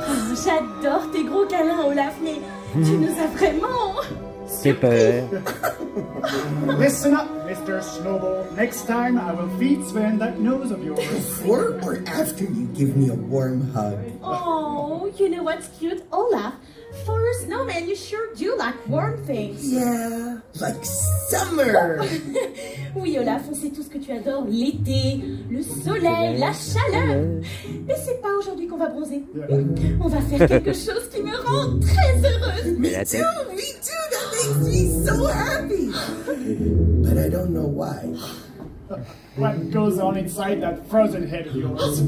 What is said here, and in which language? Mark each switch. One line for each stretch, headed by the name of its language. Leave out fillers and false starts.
French: Oh, j'adore tes gros câlins, Olaf, mais tu nous as vraiment... C'est peur.
English: Listen up, Mr. Snowball. Next time, I will feed Sven that nose of yours. Before or after you give me a warm hug? Oh, you know what's cute, Olaf? For a snowman, you sure do like warm things. Yeah, like summer.
French: Oui, Olaf, on sait tous que tu adores l'été, le soleil, la chaleur. Mais c'est pas aujourd'hui qu'on va bronzer. On va faire quelque chose qui me rend très heureuse. Mais attends,
English: me too, that makes me so happy. But I don't know why. What goes on inside that frozen head of yours?